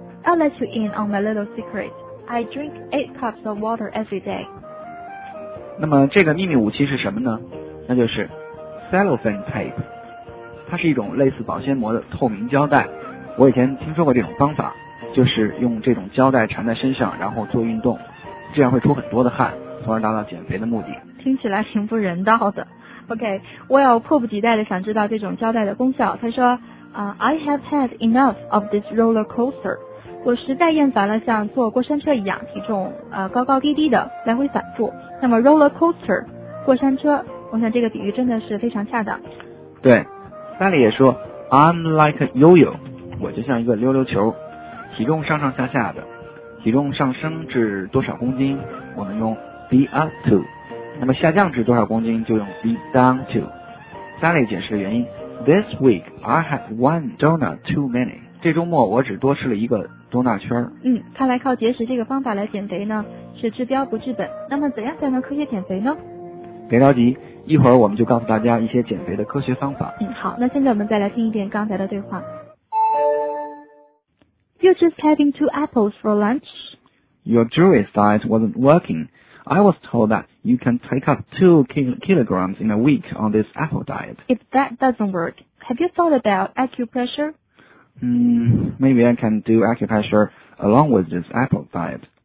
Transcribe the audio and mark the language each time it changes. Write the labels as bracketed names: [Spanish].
[English] I'll let you in on my little secret. I drink 8 cups of water every day. [Chinese] 那么这个秘密武器是什么呢？那就是 cellophane tape. 它是一种类似保鲜膜的透明胶带。我以前听说过这种方法，就是用这种胶带缠在身上，然后做运动，这样会出很多的汗，从而达到减肥的目的。听起来挺不人道的。OK, well, 迫不及待地想知道这种胶带的功效。他说、 [English] I have had enough of this roller coaster. [Chinese] 我实在厌烦了像坐过山车一样体重、高高低低的来回反复。那么 roller coaster, 过山车，我想这个比喻真的是非常恰当。对，萨里也说 [English] I'm like a yo-yo, [Chinese] 我就像一个溜溜球，体重上上下下的。体重上升至多少公斤，我们用 be up to。那么下降至多少公斤就用 be down to。Sally 解释的原因， [English] This week I had one donut too many， [Chinese] 这周末我只多吃了一个 donut 圈。嗯，看来靠节食这个方法来减肥呢是治标不治本。那么怎样才能科学减肥呢？别着急，一会儿我们就告诉大家一些减肥的科学方法。嗯，好，那现在我们再来听一遍刚才的对话。 [English] You're just having two apples for lunch. Your Jewish diet wasn't workingI was told that you can take up 2 kilograms in a week on this apple diet. If that doesn't work, have you thought about acupressure? Maybe I can do acupressure along with this apple diet.